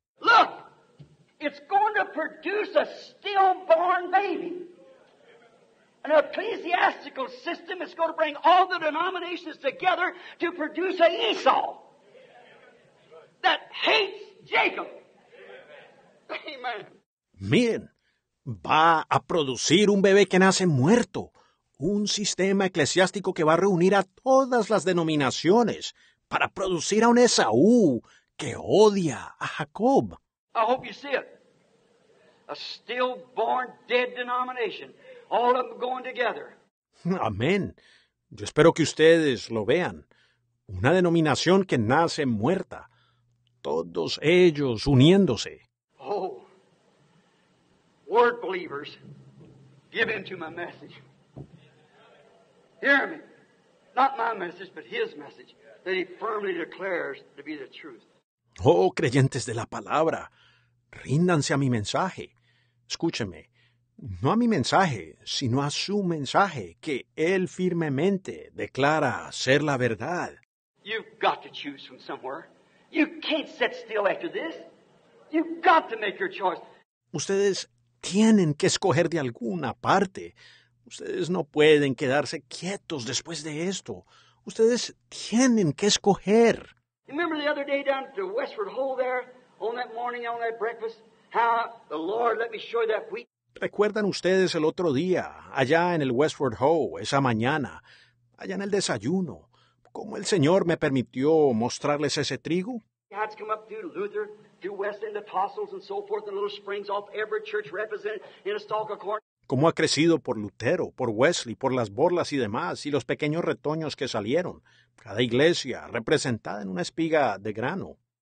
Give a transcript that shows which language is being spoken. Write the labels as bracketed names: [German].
[English] Look, it's going to produce a stillborn baby. An ecclesiastical system is going to bring all the denominations together to produce an Esau that hates Jacob. Amen. [Spanish] Miren, va a producir un bebé que nace muerto. Un sistema eclesiástico que va a reunir a todas las denominaciones para producir a un Esaú que odia a Jacob. [English] I hope you see it. A stillborn dead denomination. All of them going together. [Spanish] Amén. Yo espero que ustedes lo vean. Una denominación que nace muerta. Todos ellos uniéndose. [English] Oh, word believers, give in to my message. Hear me. Not my message, but his message that he firmly declares to be the truth. [Spanish] Oh, creyentes de la palabra, ríndanse a mi mensaje. Escúcheme, no a mi mensaje, sino a su mensaje que él firmemente declara ser la verdad. [English] You've got to choose from somewhere. You can't sit still after this. You've got to make your choice. [Spanish] Ustedes tienen que escoger de alguna parte. Ustedes no pueden quedarse quietos después de esto. Ustedes tienen que escoger. [English] Remember the other day down to Westward Hole there, on that morning, on that breakfast, how the Lord let me show that wheat. [Spanish] ¿Recuerdan ustedes el otro día, allá en el Westward Hole, esa mañana, allá en el desayuno, cómo el Señor me permitió mostrarles ese trigo? [English] God's come up through Luther, through West End, the Tossels, and so forth, and little springs off every church represented in a stalk of corn. [Spanish] Cómo ha crecido por Lutero, por Wesley, por las Borlas y demás, y los pequeños retoños que salieron. Cada iglesia representada en una espiga de grano.